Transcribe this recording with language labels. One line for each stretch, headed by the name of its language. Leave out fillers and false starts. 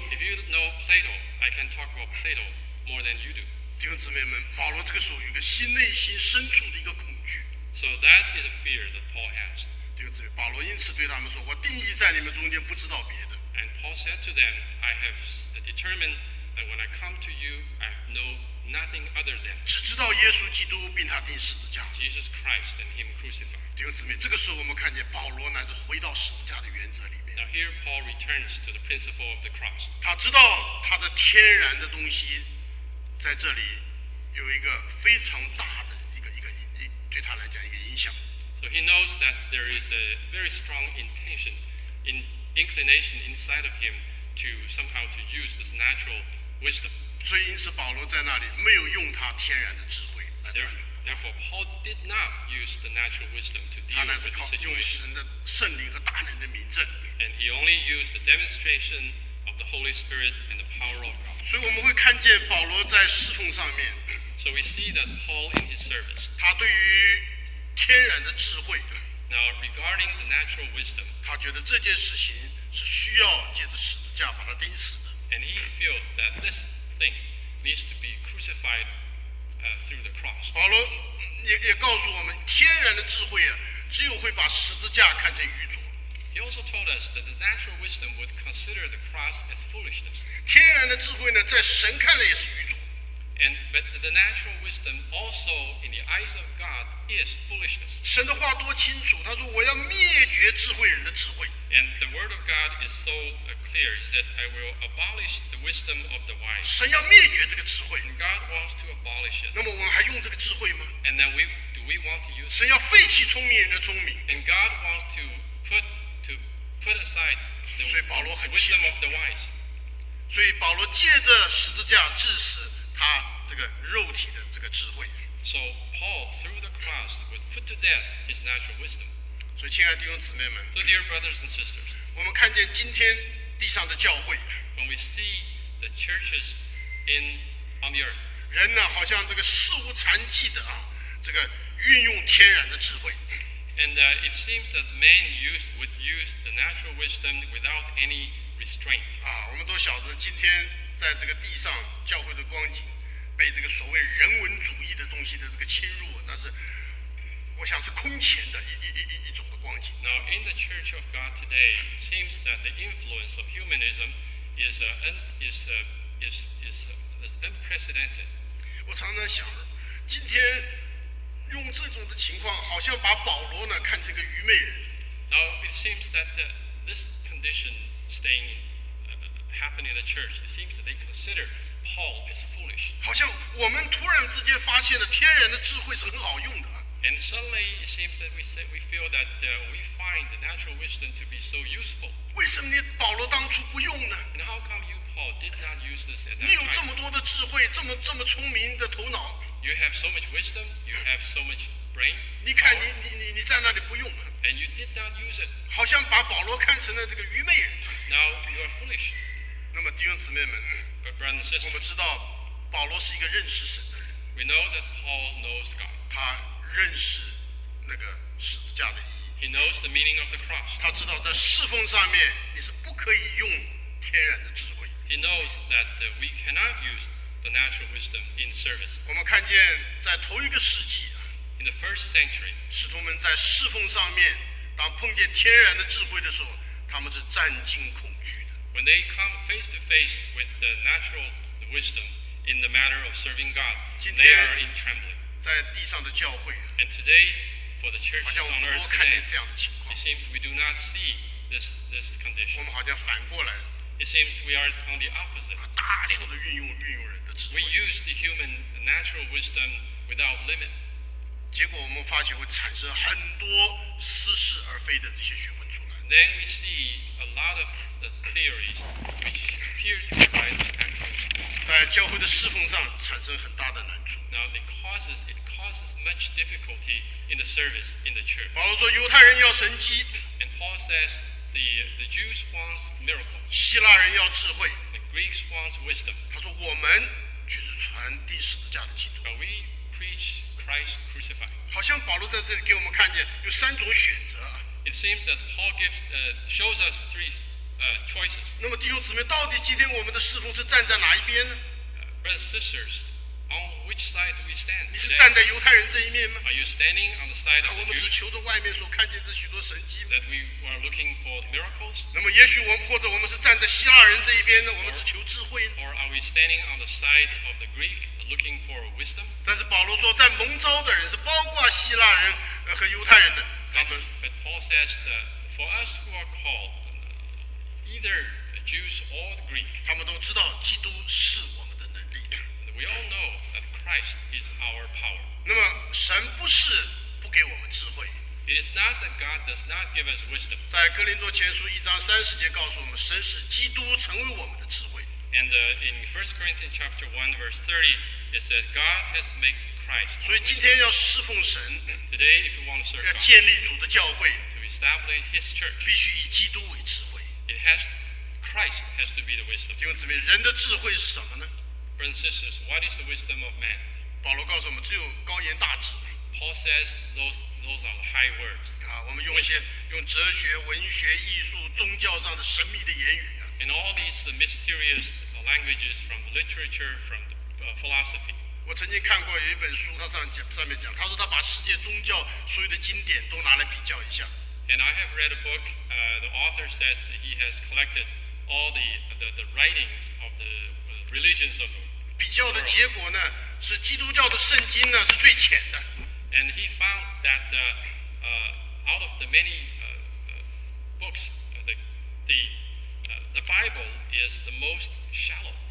English: If you know Plato, I can talk about Plato more than you do.
Chinese: 弟兄姊妹们，保罗这个时候有个心内心深处的一个恐惧。
English: So that is a fear that Paul has.
Chinese: 弟兄姊妹，保罗因此对他们说：“我定义在你们中间不知道别的。
English: ”And Paul said to them, "I have determined that when I come to you, I have no." Nothing other than
Chinese: 只知道耶稣基督并他钉十字架。
English: Jesus Christ and Him crucified.
Chinese: 弟兄姊妹，这个时候我们看见保罗乃是回到十字架的原则里面。
English: Now here Paul returns to the principle of the cross.
Chinese: 他知道他的天然的东西在这里有一个非常大的一个对他来讲一个影响。
English: So he knows that there is a very strong inclination inside of him to somehow to use this natural wisdom.
Chinese: 所以因此保罗在那里没有用他天然的智慧来传道。
English: Therefore, Paul did not use the natural wisdom to deal with the situation.
Chinese: 他乃是靠用神的圣灵和大能的名证。
English: And he only used the demonstration of the Holy Spirit and the power of God.
Chinese: 所以我们会看见保罗在侍奉上面。
English: So we see that Paul in his service.
Chinese: 他对于天然的智慧。
English: Now, regarding the natural wisdom.
Chinese: 他觉得这件事情是需要借着十字架把他钉死的。
English: And he feels that this thing needs to be crucified through the cross.
Chinese: 保罗也告诉我们，天然的智慧啊，只有会把十字架看成愚拙。
English: He also told us that the natural wisdom would consider the cross as foolishness.
Chinese: 天然的智慧呢，在神看来也是愚拙。
English: But the natural wisdom also in the eyes of God is foolishness.
Chinese: 神的话多清楚，他说我要灭绝智慧人的智慧。
English: And the word of God is so clear. He said, "I will abolish the wisdom of the wise."
Chinese: 神要灭绝这个智慧。
English: And God wants to abolish it.
Chinese: 那么我们还用这个智慧吗
English: ？And then do we want to use?
Chinese: 神要废弃聪明人的聪明。
English: And God wants to put aside the wisdom of the wise.
Chinese: 所以保罗借着十字架致死他这个肉体的这个智慧。
English: So Paul through the cross would put to death his natural wisdom.
Chinese: 所以亲爱的弟兄姊妹们
English: so dear brothers and sisters,
Chinese: 我们看见今天地上的教会
English: when we see the churches on the earth,
Chinese: 人呢好像这个肆无残忌的啊，这个运用天然的智慧
English: and it seems that men would use the natural wisdom without any restraint
Chinese: 啊，我们都晓得今天在这个地上教会的光景被这个所谓人文主义的东西的这个侵入，那是我想是空前的一种的光景。
English: Now in the Church of God today, it seems that the influence of humanism is unprecedented.
Chinese: 我常常想，今天用这种的情况好像把保罗呢看成个愚昧人。
English: Now it seems that this condition staying happening in the church, it seems that they consider Paul as foolish.
Chinese: 好像我们突然之间发现了天然的智慧是很好用的。
English: And suddenly it seems that we feel that we find the natural wisdom to be so useful.
Chinese: 为什么你保罗当初不用呢？
English: And how come you, Paul, did not use this at that time?
Chinese: 你有这么多的智慧，这么聪明的头脑。
English: You have so much wisdom, you have so much brain.
Chinese: 你看你在那里不用。
English: And you did not use it.
Chinese: 好像把保罗看成了这个愚昧人。
English: Now you are foolish.
Chinese: 那么弟兄姊妹们，
English: But brothers and sisters,
Chinese: 我们知道保罗是一个认识神的人。
English: We know that Paul knows God.
Chinese: 他认识那个十字架的意义。
English: He knows the meaning of the cross.
Chinese: 他知道在侍奉上面你是不可以用天然的智慧。
English: He knows that we cannot use the natural wisdom in service.
Chinese: 我们看见在头一个世纪，
English: In the first century,
Chinese: 使徒们在侍奉上面当碰见天然的智慧的时候，他们是战惊恐惧的。
English: When they come face to face with the natural wisdom in the matter of serving God, they are in trembling.
Chinese: 在地上的教会，
English: and today, for the church on earth,
Chinese: 好像我们多看见这样的情况。
English: It seems we do not see this condition.
Chinese: 我们好像反过来。
English: It seems we are on the opposite.
Chinese: 大量的运用人的智慧。
English: We use the human natural wisdom without limit.
Chinese: 结果我们发觉会产生很多似是而非的这些学问出来。
English: Then we see a lot of the theories which appear to be right.
Chinese: 在教会的侍奉上产生很大的难处。
English: Now it causes much difficulty in the service in the church.
Chinese: 保罗说犹太人要神迹。
English: And Paul says the Jews wants miracles.
Chinese: 希腊人要智慧。
English: The Greeks wants wisdom.
Chinese: 他说我们就是传递十字架的基督。
English: But we preach Christ crucified.
Chinese: 好像保罗在这里给我们看见有三种选择。
English: It seems that Paul shows us three. Choices.
Chinese: 那么弟兄姊妹，到底今天我们的侍奉是站在哪一边呢？
English: Brothers and sisters, on which side do we stand?
Chinese: 你是站在犹太人这一面吗？
English: Are you standing on the side of the Jews?
Chinese: 我们只求着外面所看见这许多神迹。
English: That we are looking for miracles.
Chinese: 那么也许我们或者我们是站在希腊人这一边呢？我们只求智慧。
English: Or are we standing on the side of the Greek, looking for wisdom?
Chinese: 但是保罗说，在蒙召的人是包括希腊人和犹太人的。
English: But Paul says that for us who are called. Either the Jews or the Greek.
Chinese: 他们都知道基督是我们的能力。
English: And we all know that Christ is our power.
Chinese: 那么神不是不给我们智慧。
English: It is not that God does not give us wisdom.
Chinese: 在哥林多前书一章三十节告诉我们，神使基督成为我们的智慧。
English: And in 1 Corinthians chapter 1 verse 30, it says God has made Christ.
Chinese: 所以今天要侍奉神。
English: Today, if we want to serve God,
Chinese: 要建立主的教会。
English: To establish His church,
Chinese: 必须以基督为智慧。
English: Christ has to be the wisdom.
Chinese: 弟兄姊妹，人的智慧是什么呢？
English: Francis, what is the wisdom of man?
Chinese: 保罗告诉我们，只有高言大智。
English: Paul says those are high words.
Chinese: 啊，我们用一些用哲学、文学、艺术、宗教上的神秘的言语啊。
English: And all these mysterious languages from the literature, from the philosophy.
Chinese: 我曾经看过有一本书，它上面讲，他说他把世界宗教所有的经典都拿来比较一下。
English: And I have read a book. The author says that he has collected all the writings of the religions of the world.
Chinese: 比较的结果呢，是基督教的圣经呢是最浅的。
English: And he found that out of the many books, the Bible is the most shallow.